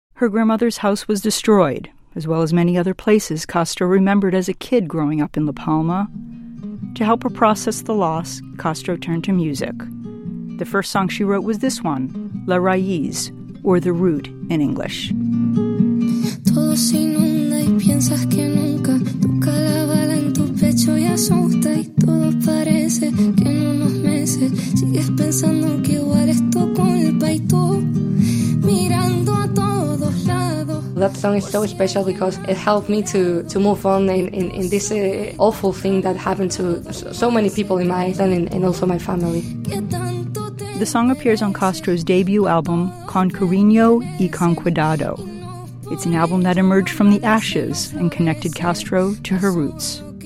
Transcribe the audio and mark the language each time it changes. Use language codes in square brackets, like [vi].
[en] Her grandmother's house was destroyed, as well as many other places Castro remembered as a kid growing up in La Palma. To help her process the loss, Castro turned to music. The first song she wrote was this one, La Raíz, or The Root in English. [es] Todo se inunda y piensas que nunca toca la bala en tu pecho y asusta y todo parece que en unos meses sigues pensando que igual es tu culpa y tú mirando a todos lados. [en] That song is so special because it helped me to move on in this awful thing that happened to so many people in my island and also my family. The song appears on Castro's debut album, Con Cariño y Con Cuidado. It's an album that emerged from the ashes and connected Castro to her roots.